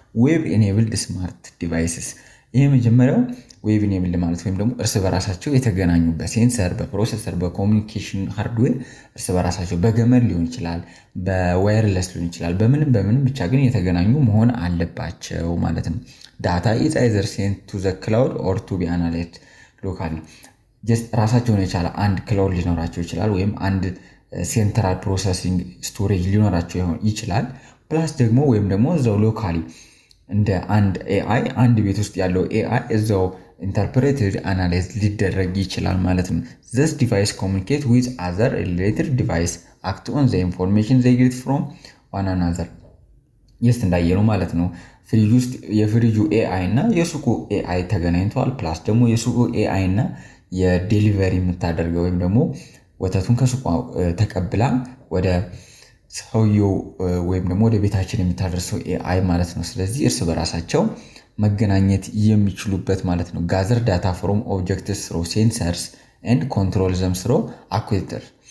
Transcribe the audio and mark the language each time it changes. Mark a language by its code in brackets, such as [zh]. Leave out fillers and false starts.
[am] Web enabled smart devices ይሄ መጀመሪያው web enabled ማለት ወይም ደግሞ እርስ በራሳቸው የተገናኙበት sensor በprocessor በcommunication hardware እርስ በራሳቸው በገመድ ሊሆን ይችላል በwireless ሊሆን ይችላል በምንም ብቻ ግን የተገናኙ መሆን አለባቸው ማለት ነው። [en] Data is either sent to the cloud or to be analyzed locally. [am] just ራሳቸው ነው ይችላል አንድ cloud ሊኖራቸው ይችላል ወይም አንድ central processing storage ሊኖራቸው ይችላል plus ደግሞ ወይም ደግሞ እዛው locally እንደ አንድ AI አንድ ቤት ውስጥ ያለው AI እዛው interpreted analyze ሊደረግ ይችላል ማለት ነው። [en] this device communicate with other related device act on the information they get from one another. [am] yes እንዳየሩ ማለት ነው ፍሪጅ ውስጥ የፍሪጁ AI እና የሱቁ AI ተገናኝቷል plus ደግሞ የሱቁ AI እና የዴሊቨሪ የምታደርገው ወይም ደግሞ ወተቱን ከሱቁ ተቀብላ ወደ ሰውዮ ወይም ደግሞ ወደ ቤታችን የምታደርሰው AI ማለት ነው። ስለዚህ እርስ በራሳቸው መገናኘት የሚችሉበት ማለት ነው። [en] gather data from objects through sensors and control them through actuators.